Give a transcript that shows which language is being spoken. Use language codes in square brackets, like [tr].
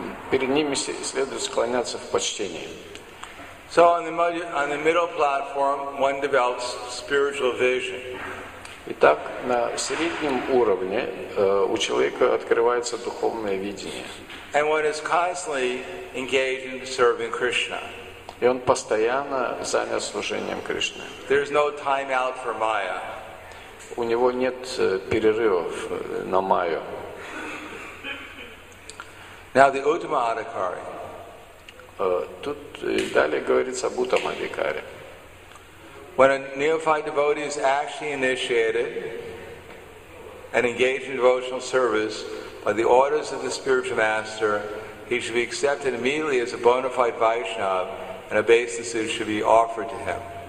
[ru] Перед ними следует склоняться в почтении. [en] So on the middle platform one develops spiritual vision. [ru] Итак, на среднем уровне у человека открывается духовное видение. [en] And one is constantly engaged in serving Krishna. [ru] И он постоянно занят служением Кришне. [en] There's no time out for Maya. [ru] У него нет перерывов на Майю. [en] Now the Uttama Adhikari. [ru] Тут далее говорится об Uttama Adhikari. [en] When a neophyte devotee is actually initiated and engaged in devotional service by the orders of the spiritual master, he should be accepted immediately as a bona fide Vaishnava. And obeisances should be offered to him.